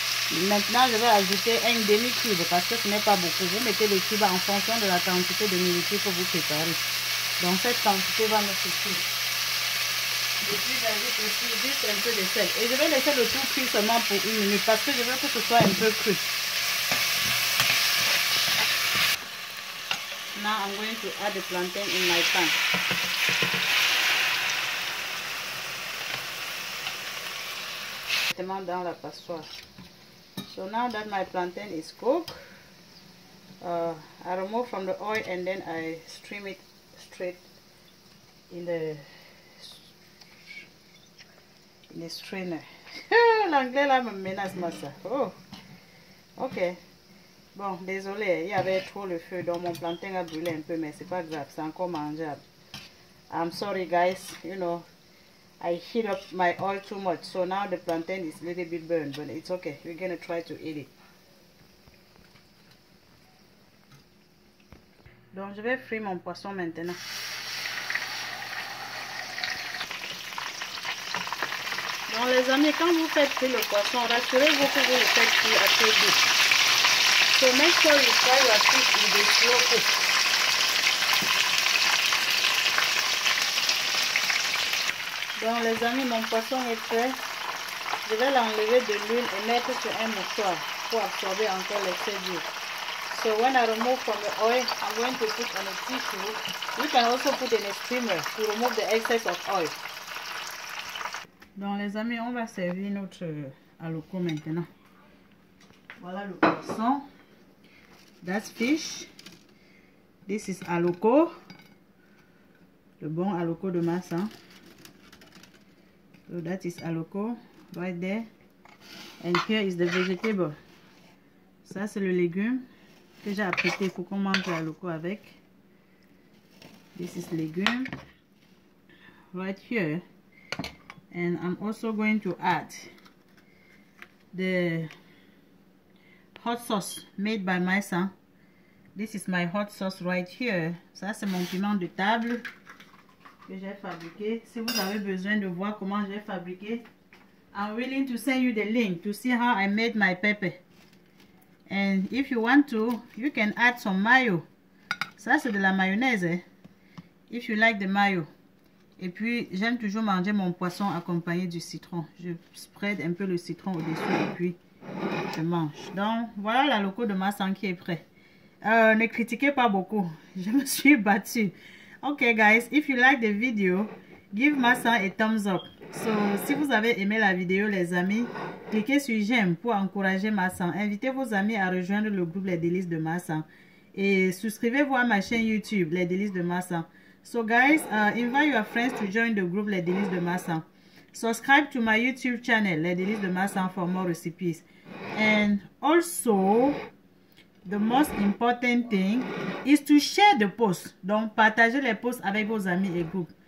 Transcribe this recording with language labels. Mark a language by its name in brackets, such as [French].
[French] Maintenant, je vais ajouter un demi-cube parce que ce n'est pas beaucoup. Vous mettez les cubes en fonction de la quantité de nourriture que vous préparez. Donc, cette quantité va me suffire. Et puis j'ajoute aussi juste un peu de sel. Et je vais laisser le tout cuire seulement pour une minute parce que je veux que ce soit un peu cru. [English] Now I'm going to add the plantain in my pan. [French] Directement dans la passoire. [English] So now that my plantain is cooked, I remove from the oil and then I stream it straight in the strainer. [French] L'anglais là me menace, ma soeur. Oh, ok. Bon, désolé, il y avait trop le feu, donc mon plantain a brûlé un peu, mais c'est pas grave, c'est encore mangeable. [English] I'm sorry, guys. You know, I heat up my oil too much, so now the plantain is a little bit burned, but it's okay. We're gonna try to eat it. [French] Donc, je vais frire mon poisson maintenant. Bon, les amis, quand vous faites cuire le poisson, rassurez-vous que vous le faites cuire assez vite. [English] So make sure you fry your fish in the slow cook. [French] Donc les amis, mon poisson est prêt. Je vais l'enlever de l'huile et mettre sur un mouchoir pour absorber encore l'excès d'huile. [English] So when I remove from the oil, I'm going to put on a tissue. You can also put in a steamer to remove the excess of oil. [French] Donc les amis, on va servir notre aloko maintenant. Voilà le poisson. [English] That's fish. This is aloko. [French] Le bon aloko de masse. Hein? [English] So that is aloko right there. And here is the vegetable. [French] Ça c'est le légume que j'ai apprêté pour qu'on mange l'aloko avec. [English] This is légume. Right here. And I'm also going to add the hot sauce made by my son. This is my hot sauce right here. [French] Ça, c'est mon piment de table que j'ai fabriqué. Si vous avez besoin de voir comment j'ai fabriqué, [English] I'm willing to send you the link to see how I made my pepper. And if you want to, you can add some mayo. [French] Ça, c'est de la mayonnaise. [English] If you like the mayo. [French] Et puis, j'aime toujours manger mon poisson accompagné du citron. Je spread un peu le citron au-dessus et puis je mange. Donc, voilà la loco de Massan qui est prêt. Ne critiquez pas beaucoup. Je me suis battue. [English] Ok, guys, if you like the video, give Massan a thumbs up. [French] So, si vous avez aimé la vidéo, les amis, cliquez sur j'aime pour encourager Massan. Invitez vos amis à rejoindre le groupe Les Délices de Massan. Et souscrivez-vous à ma chaîne YouTube, Les Délices de Massan. [English] So guys, invite your friends to join the group Les Délices de Massan. Subscribe to my YouTube channel, Les Délices de Massan, for more recipes. And also, the most important thing is to share the post. [French] Donc, partagez les posts avec vos amis et groupes.